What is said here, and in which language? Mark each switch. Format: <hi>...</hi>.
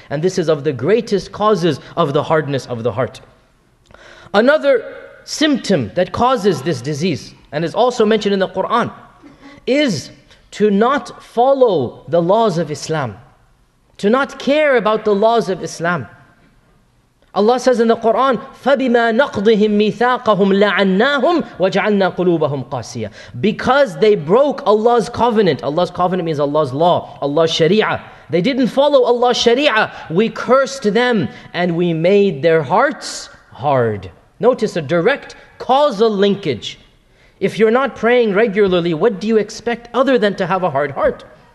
<en>And this is of the greatest causes of the hardness of the heart. Another symptom that causes this disease, and is also mentioned in the Quran, is to not follow the laws of Islam. To not care about the laws of Islam. Allah says in the Quran,</en> <ar>فَبِمَا نَقْضِهِمْ مِيثَاقَهُمْ لَعَنَّاهُمْ وَجَعَلْنَا قُلُوبَهُمْ قَاسِيَةً.</ar> <en>Because they broke Allah's covenant. Allah's covenant means Allah's law, Allah's sharia. They didn't follow Allah's sharia. We cursed them and we made their hearts hard. Notice a direct causal linkage. If you're not praying regularly, what do you expect other than to have a hard heart?</en>